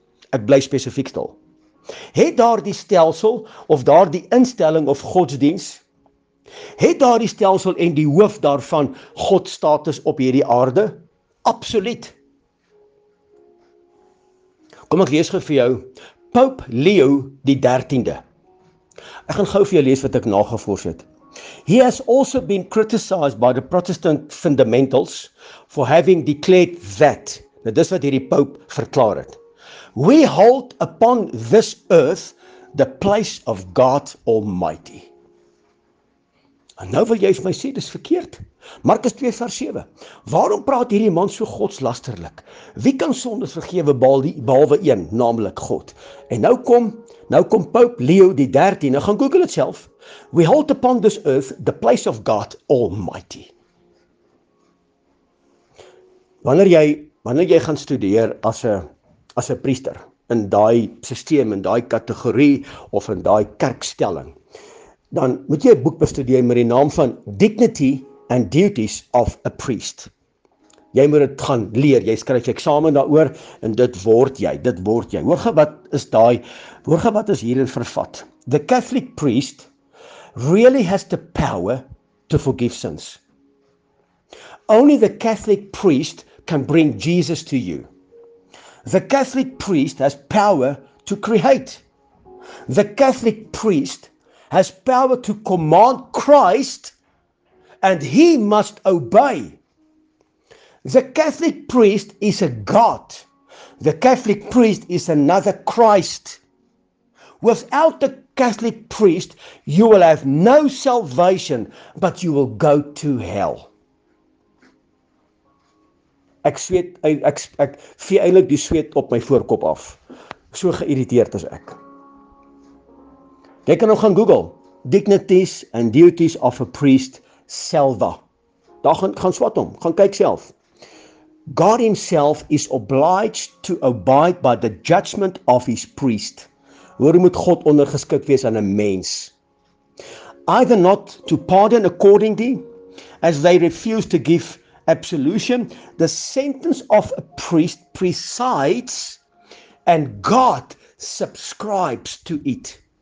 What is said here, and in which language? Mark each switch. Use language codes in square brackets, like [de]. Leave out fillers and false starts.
[af] Ek bly spesifiek stil. Het daardie stelsel of daardie instelling of godsdiens, het daardie stelsel en die hoof daarvan God status op hierdie aarde? Absoluut. Kom ek lees vir jou Pope Leo die 13de. Ek gaan gou vir jou lees wat ek nagevors het. [en] He has also been criticized by the Protestant fundamentals for having declared that. [af] Nou dis wat hierdie Pope verklaar het. [en] We hold upon this earth the place of God Almighty. [af] En nou wil jy vir my sê, dis verkeerd. Markus 2 vers 7. Waarom praat hierdie man so godslasterlik? Wie kan sondes vergewe behalwe een, naamlik God? En nou kom Pope Leo die 13, nou gaan Google dit self. [en] We hold upon this earth the place of God Almighty. [af] Wanneer jy gaan studeer as 'n priester in daai stelsel en daai kategorie of in daai kerkstelling, dan moet jy 'n boek bestudeer met die naam van Dignity and Duties of a Priest. Jy moet dit gaan leer. Jy skryf eksamen daaroor en dit word jy. Dit word jy. Hoor gou wat is daai? Hoor gou wat is hierin vervat? [en] The Catholic priest really has the power to forgive sins. Only the Catholic priest can bring Jesus to you. The Catholic priest has power to create. The Catholic priest has power to command Christ and he must obey. The Catholic priest is a God. The Catholic priest is another Christ. Without the Catholic priest, you will have no salvation, but you will go to hell. [af] Ek sweet, ek vee eintlik die sweet op my voorkop af. So geïrriteerd is ek. Jy kan nou gaan Google. [en] Dignities and duties of a priest, Selva. [af] Daar gaan swat hom, gaan kyk self. [en] God himself is obliged to abide by the judgment of his priest. [af] Hoor, moet God ondergeskik wees aan 'n mens. [en] Either not to pardon accordingly, as they refuse to give absolution, the sentence of a priest presides and God subscribes to it.